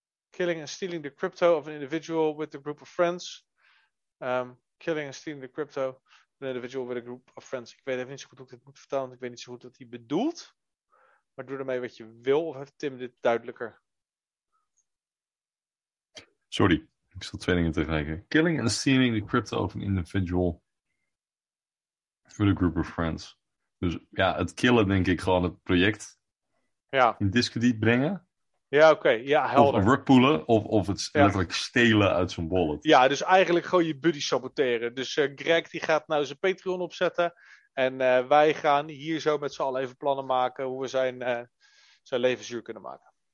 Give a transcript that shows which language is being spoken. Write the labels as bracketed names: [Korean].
[English] Killing and stealing the crypto of an individual with a group of friends. Killing and stealing the crypto of an individual with a group of friends. [Dutch] Ik weet even niet zo goed hoe ik dit moet vertalen, want ik weet niet zo goed wat hij bedoelt. Maar doe ermee wat je wil, of heeft Tim dit duidelijker? Sorry, ik zat twee dingen tegelijk. [English] Killing and stealing the crypto of an individual with a group of friends. [Dutch] Dus ja, het killen denk ik gewoon het project in discrediet brengen. Ja, oké. Okay. Ja, helder. Of rugpoolen of het letterlijk stelen uit zo'n wallet. Ja, dus eigenlijk gewoon je buddy saboteren. Dus Greg die gaat nou zijn Patreon opzetten. En wij gaan hier zo met z'n allen even plannen maken hoe we zijn leven zuur kunnen maken.